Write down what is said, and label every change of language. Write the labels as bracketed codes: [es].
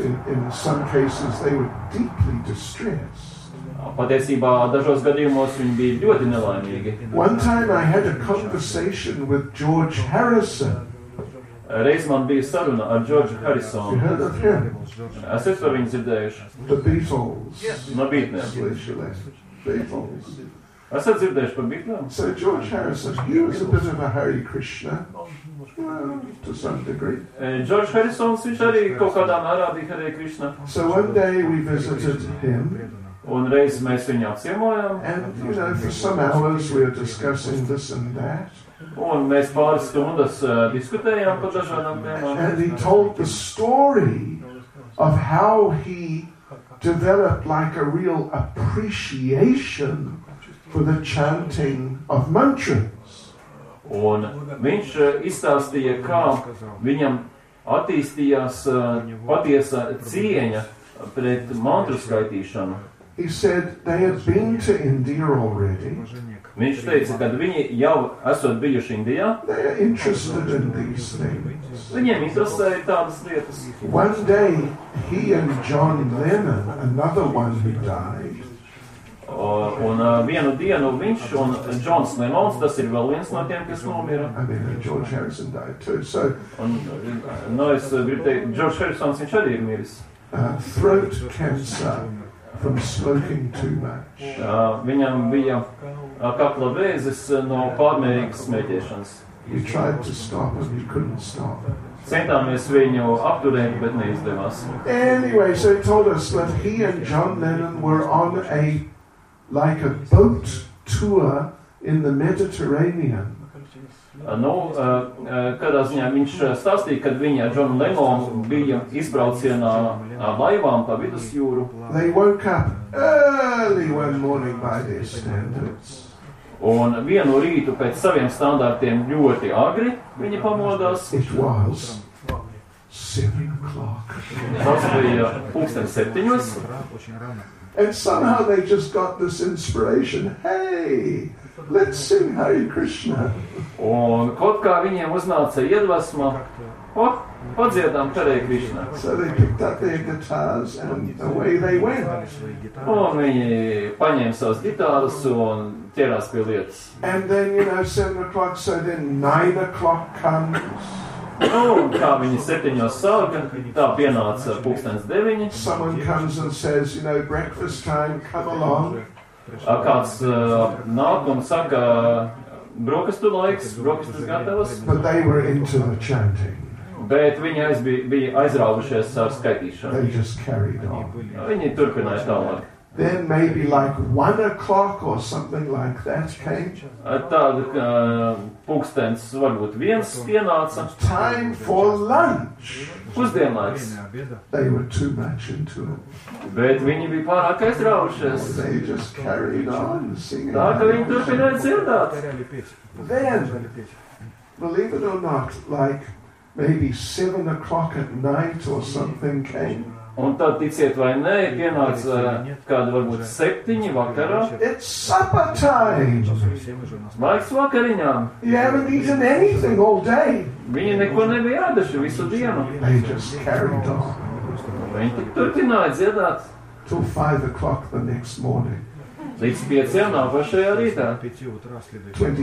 [en] In some cases they were deeply distressed. [lv] Patiesībā dažos gadījumos viņi bija ļoti nelaimīgi. [en] One time I had a conversation with George Harrison. [lv] Reiz man bija saruna ar George Harrison. [en] You heard of him? [lv] Es esmu viņu dzirdējuši. [en] The Beatles. [lv] No Beatles. [en] Beatles. [lv] Es dzirdējuši par Beatles. [en] So George Harrison, he was a bit of a Hare Krishna. To some degree. [lv] George Harrison, viņš arī kaut kādā mērā bija Hare Krishna. [en] So one day we visited him. [lv] Un reiz mēs viņu apciemojām. [en] And, you know, for some hours we are discussing this and that. [lv] Un mēs pāris stundas diskutējām par dažādām tēmām. [en] And he told the story of how he developed like a real appreciation for the chanting of mantras. [lv] Un viņš izstāstīja, kā viņam attīstījās patiesa cieņa pret mantru skaitīšanu. [en] He said they had been to India already. [lv] Viņš teica, kad viņi jau esot bijuši Indijā. [en] They are interested in these things. [lv] Viņiem interesēja tādas lietas. [en] One day he and John Lennon, another one who died. [lv] Un vienu dienu viņš un Johns Lennons, tas ir vēl viens no tiem, kas nomira. [en] I mean, George Harrison died too, so. [lv] Un, no, es gribu teikt, George Harrison, viņš arī ir miris. [en] Throat cancer. From smoking too much. [lv] Viņam bija kakla vēzis no pārmērīgas smēķēšanas. [en] He tried to stop and he couldn't stop. [lv] Centāmies viņu apturēt, bet neizdevās. [en] Anyway, so he told us that he and John Lennon were on a like a boat tour in the Mediterranean. [lv] Kādā ziņā viņš stāstīja, kad viņi ar John Lennon bija izbraucienā laivām pa vidusjūru. [en] They woke up early one morning by their standards. [lv] Un vienu rītu pēc saviem standartiem ļoti agri viņi pamodās. [en] It was 7 o'clock. [lv] Tas bija pulksten septiņos. [en] And somehow they just got this inspiration. Hey, let's sing Hare Krishna. [lv] Un kaut kā viņiem uznāca iedvesma. Oh, padziedām Hare Krishna. [en] So they picked up their guitars and away they went. [lv] Un viņi paņēma savas gitāras un ķērās pie lietas. [en] And then, you know, 7 o'clock, so then 9 o'clock comes. [lv] Un kā viņi septiņos sāka, tā pienāca pulkstens deviņi. [en] Someone comes and says, you know, breakfast time, come along. [lv] Kāds nāk un saka, brokastu laiks, brokastas gatavas. [en] But they were into the chanting. [lv] Bet viņi bija aizraujušies ar skaitīšanu. [en] They just carried on. [lv] Viņi turpināja tālāk. [en] Then maybe like 1 o'clock or something like that came. [lv] Tad pulkstens varbūt viens pienāca. [en] Time for lunch. [lv] Pusdienlaiks. [en] They were too much into it. [lv] Bet viņi bija pārāk aizraušies. [en] They just carried on singing. [lv] Tā, ka viņi turpināja dzirdāt. [en] Then, believe it or not, like maybe 7 o'clock at night or something came. [lv] Un tad, ticiet vai nē, pienāca kādu varbūt septiņi vakarā. [en] It's supper time! [lv] Laiks vakariņām. [en] You haven't eaten anything all day. [lv] Viņi neko nebija ēduši visu dienu. [en] They just carried on. [lv] Viņi tik turpināja dziedāt. [en] Till 5 o'clock the next morning. [lv] Līdz pieciem nav pašajā rītā.